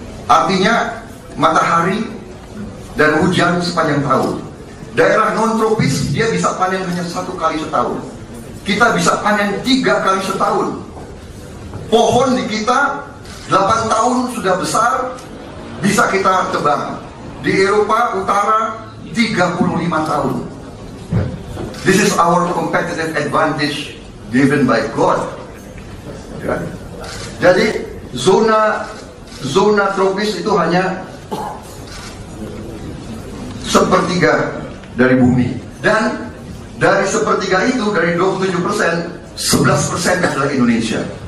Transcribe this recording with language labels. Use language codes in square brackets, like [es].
[id] Artinya matahari dan hujan sepanjang tahun. Daerah non-tropis dia bisa panen hanya satu kali setahun. Kita bisa panen tiga kali setahun. Pohon di kita 8 tahun sudah besar, bisa kita tebang. Di Eropa Utara 35 tahun. [en] This is our competitive advantage given by God. [id] Jadi zona tropis itu hanya sepertiga dari bumi. Dan dari sepertiga itu, dari 27%, 11% adalah Indonesia.